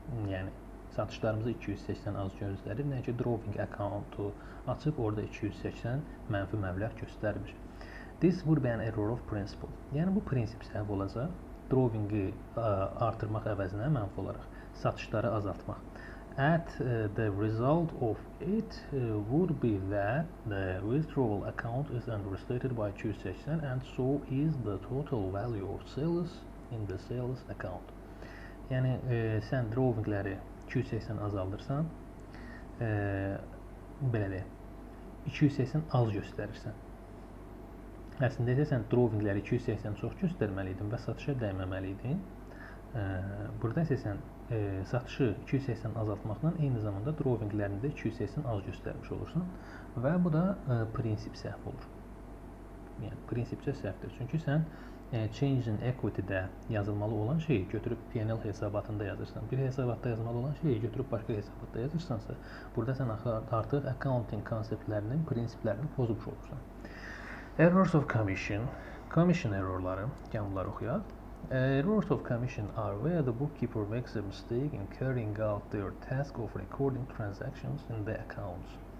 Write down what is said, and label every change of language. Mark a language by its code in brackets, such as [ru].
[az] Yəni satışlarımızı 280 az gözləri, nəyə ki, drawing accountu açıb, orada 280 mənfi məbləğ göstərmir. [en] This would be an error of principle. [az] Yəni, bu prinsip səhv olacaq. Drawingi artırmaq əvəzinə mənfi olaraq, satışları azaltmaq. [en] At the result of it would be that the withdrawal account is understated by 280 and so is the total value of sales in the sales account. [az] Yəni, sən drawingləri 280 azaldırsan, belə deyək, 280 az göstərirsən. Əslində isə sən drawingləri 280 çox göstərməliydin və satışa dəyməməliydin. Burada isə sən satışı 280 azaltmaqla eyni zamanda drawinglərini də 280 az göstərmiş olursan və bu da prinsip səhv olur. Yəni, prinsipcə səhvdir. Çünki sən change in equity-də yazılmalı olan şeyi götürüb P&L hesabatında yazırsan. Bir hesabatda yazmalı olan şeyi götürüb başqa hesabatda yazırsansa, burada sən artıq accounting konseptlərinin prinsiplərini pozmuş olursan. [en] Errors of commission. [az] Commission errorları. Gəmbuları oxuyaq. [en] Errors of commission are where the bookkeeper makes a mistake in carrying out their task of recording transactions in the accounts.